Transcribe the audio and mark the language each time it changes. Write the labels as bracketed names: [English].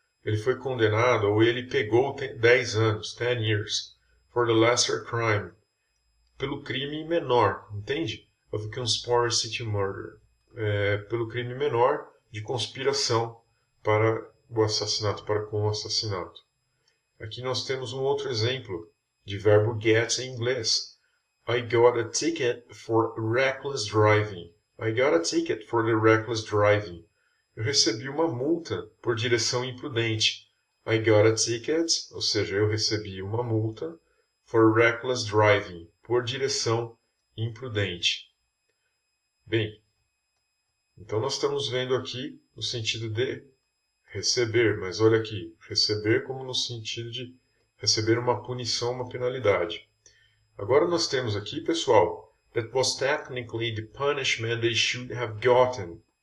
[Portuguese] Ele foi condenado ou ele pegou 10 anos, [English] 10 years, for the lesser crime, [Portuguese] pelo crime menor, entende? [English] Of conspiracy to murder, [Portuguese] pelo crime menor de conspiração para o assassinato, para com o assassinato. Aqui nós temos um outro exemplo de verbo get em inglês. [English] I got a ticket for reckless driving. I got a ticket for the reckless driving. [Portuguese] Eu recebi uma multa por direção imprudente. [English] I got a ticket, [Portuguese] ou seja, eu recebi uma multa [English] for reckless driving, [Portuguese] por direção imprudente. Bem, então nós estamos vendo aqui o sentido de receber, mas olha aqui, receber como no sentido de receber uma punição, uma penalidade. Agora nós temos aqui, pessoal, [English] that was technically the punishment they should have gotten.